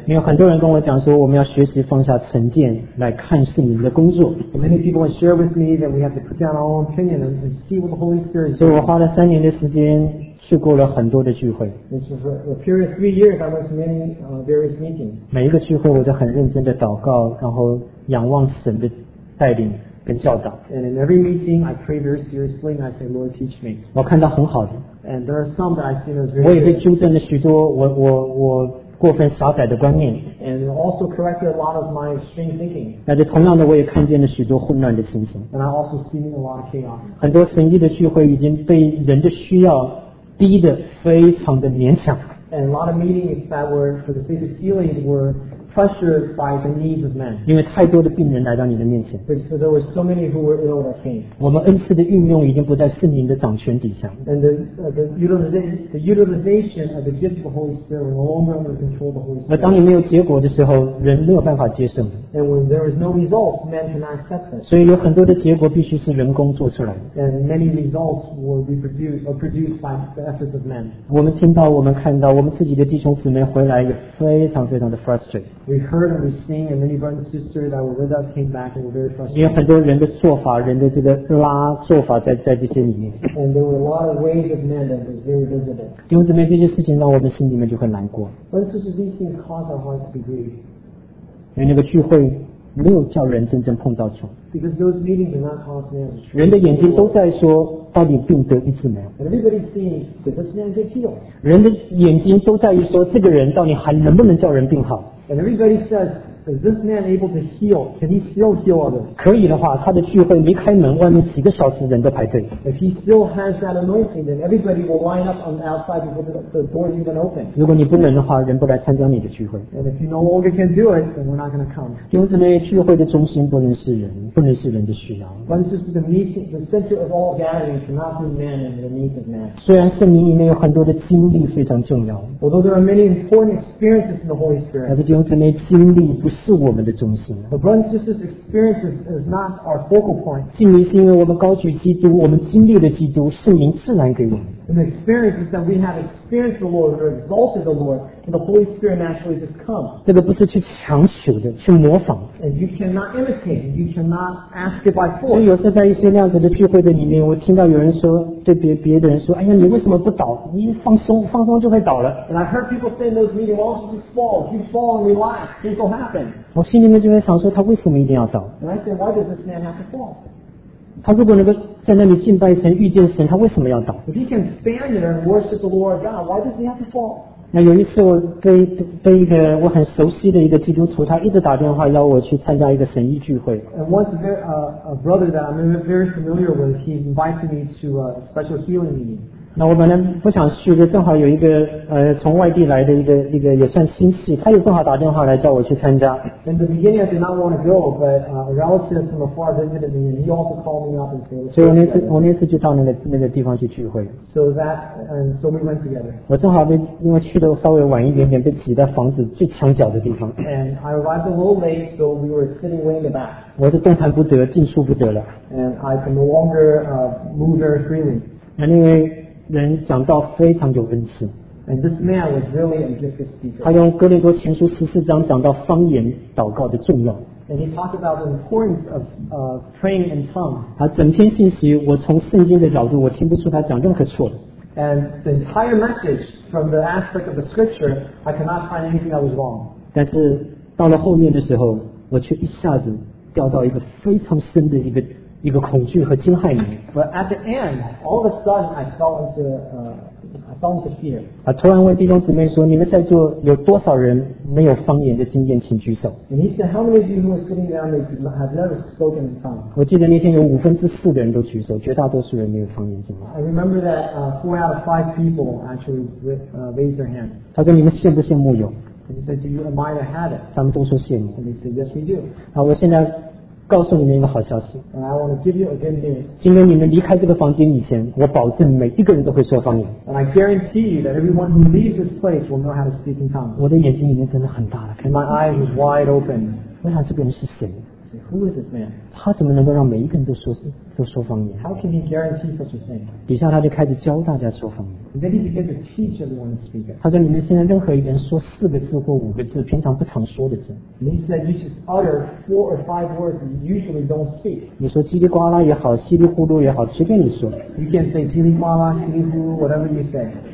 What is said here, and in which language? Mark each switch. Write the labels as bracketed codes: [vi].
[zh] 因为很多人跟我讲说，我们要学习放下成见来看圣灵的工作。 [en] And many people would share with me that we have to put down our own opinion and see what the Holy Spirit is doing. [zh] 所以我花了三年的时间去过了很多的聚会。 [en] This was a period of 3 years. I went to many various meetings. [zh] 每一个聚会，我都很认真的祷告，然后仰望神的带领。 [en] And in every meeting, I pray very seriously, and I say, Lord, teach me. [zh] 我看到很好的。 [en] And there are some that I see as very. [zh] 我也被纠正了许多我过分狭窄的观念。 [en] And also corrected a lot of my extreme thinking. [zh] 但是同样的，我也看见了许多混乱的情形。 [en] And I also see a lot of chaos. [zh] 很多神迹的聚会已经被人的需要逼得非常的勉强。 [en] And a lot of meetings that were for the sake of healing were. Pressured by the needs of men. [zh] 因为太多的病人来到你的面前。 [en] Because there were so many who were ill that came. [zh] 我们恩赐的运用已经不在圣灵的掌权底下。 [en] And the utilization of the gift of the Holy Spirit will no longer under control of the Holy Spirit. [zh] 那当你没有结果的时候，人没有办法接受。 [en] And when there is no results, men cannot accept it. [zh] 所以有很多的结果必须是人工做出来的。 [en] And many results will be produced by the efforts of men. [zh] 我们听到，我们看到，我们自己的弟兄姊妹回来也非常非常的 frustrated. [en] We heard and we seen, and many brothers and sisters that were with us came back and were very frustrated. [zh] 因为很多人的做法，人的这个拉做法在这些里面。 [en] And there were a lot of ways of men that was very visible. [zh] 弟兄姊妹，这些事情让我们心里面就很难过。 [en] But sisters, these things cause our hearts to be grieved. [zh] 因为那个聚会没有叫人真正碰到主。 [en] Because those meetings did not cause men. [zh] 人的眼睛都在说，到底病得医治没有？ [en] And everybody seeing that this man get healed. [zh] 人的眼睛都在于说，这个人到底还能不能叫人病好？ [en] And everybody says, is this man able to heal? Can he still heal others? [zh] 可以的话，他的聚会离开门，外面几个小时人都排队。 [en] If he still has that anointing, then everybody will line up on the outside before the doors even open. [zh] 如果你不能的话，人不来参加你的聚会。 [en] And if you no longer can do it, then we're not going to come. [zh] 弟兄姊妹，聚会的中心不能是人，不能是人的需要。 [en] But this is the meeting, the center of all gatherings, not the man and the needs of man. [zh] 虽然圣灵里面有很多的经历非常重要。 [en] Although there are many important experiences in the Holy Spirit. [zh] 但是弟兄姊妹，经历不是我们的中心。 [en] But brothers and sisters, experience is not our focal point. [zh] 经历是因为我们高举基督，我们经历了基督，圣灵自然给我们。 [en] And the experience is that we have experienced the Lord, or exalted the Lord, and the Holy Spirit naturally just comes. [zh] 这个不是去强求的，去模仿。 [en] And you cannot imitate, you cannot ask it by force. [zh] 所以有时候在一些那样子的聚会的里面，我听到有人说，对别的人说，哎呀，你为什么不倒？你放松，放松就会倒了。 [en] And I heard people say in those meetings, "Well, just fall. If you fall and relax, things will happen." [zh] 我心里面就在想说，他为什么一定要倒 [en] ？And I said, "Why does this man have to fall?" [zh] 他如果能够在那里敬拜神、遇见神，他为什么要倒 [en] ？If he can stand there and worship the Lord God, why does he have to fall? [zh] 那有一次我被一个我很熟悉的一个基督徒，他一直打电话邀我去参加一个神医聚会。 [en] And once a brother that I'm very familiar with, he invited me to a special healing meeting. [zh] 那我本来不想去，就正好有一个从外地来的一个也算亲戚，他也正好打电话来叫我去参加。 [en] In the beginning, I did not want to go, but a relative from afar visited me, and he also called me up and said. [zh] 所以我那次就到那个地方去聚会。 [en] So that and so we went together. [zh] 我正好因为去的稍微晚一点点，被挤在房子最墙角的地方。 [en] And I arrived a little late, so we were sitting way in the back. [zh] 我是动弹不得，进出不得了。 [en] And I can no longer move very freely. [zh] 那因为人讲到非常有恩赐。 [en] And this man was really a gifted speaker. [zh] 他用哥林多前书十四章讲到方言祷告的重要。 [en] And he talked about the importance of praying in tongues. [zh] 他整篇信息，我从圣经的角度，我听不出他讲任何错的。 [en] And the entire message from the aspect of the scripture, I cannot find anything that was wrong. [zh] 但是到了后面的时候，我却一下子掉到一个非常深的一个恐惧和惊骇里面。 [en] But at the end, all of a sudden, I fell into fear. [zh] 啊，突然问弟兄姊妹说，你们在座有多少人没有方言的经验，请举手。 [en] And he said, how many of you who are sitting down there have never spoken in tongues? [zh] 我记得那天有五分之四的人都举手，绝大多数人没有方言经验。 [en] I remember that four out of five people actually raised their hand. [zh] 他说你们羡不羡慕有？ [en] And he said, do you admire the habit? [zh] 他们都说羡慕。 [en] And he said, yes, we do. [zh] 好，我现在告诉你们一个好消息。 [en] And I want to give you a good news. [zh] 今天你们离开这个房间以前，我保证每一个人都会说方言。 [en] And I guarantee you that everyone who leaves this place will know how to speak in tongues. [zh] 我的眼睛里面真的很大了。 [en] And my eyes was wide open. [zh] 我想这个人是谁？ [en] Who is this man? [zh] 他怎么能够让每一个人都说方言？ [en] How can he guarantee such a thing? [zh] 底下他就开始教大家说方言。 [en] And then he began to teach everyone to speak. [zh] 他说你们现在任何一个人说四个字或五个字，平常不常说的字。 [en] And he said you just utter four or five words that you usually don't speak. [zh] 你说叽里呱啦也好，稀里呼噜也好，随便你说。 [en] You can say [zh] 叽里呱啦，稀里呼噜， [en] whatever you say.